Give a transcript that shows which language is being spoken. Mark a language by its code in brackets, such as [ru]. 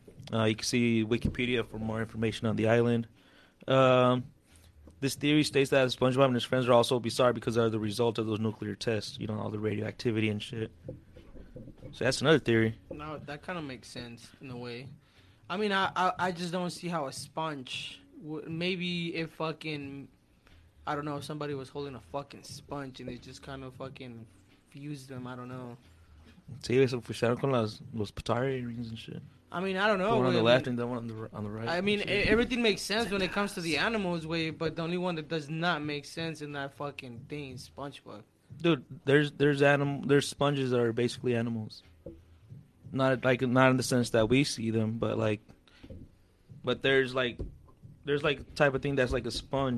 [en] You can see Wikipedia for more information on the island. This theory states that SpongeBob and his friends are also bizarre because they are the result of those nuclear tests, you know, all the radioactivity and shit. So that's another theory. No, that kind of makes sense in a way. I mean, I just don't see how a sponge maybe if fucking, I don't know, somebody was holding a fucking sponge and they just kind of fucking fused them, I don't know. [es] Sí, eso fue usado con los Pitari [en] rings and shit. I mean, I don't know. The one on the left and the one on the right. I mean, everything makes sense when it comes to the animals way, but the only one that does not make sense in that fucking thing is SpongeBob. Dude, there's sponges that are basically animals. Not in the sense that we see them, but there's like type of thing that's like a sponge.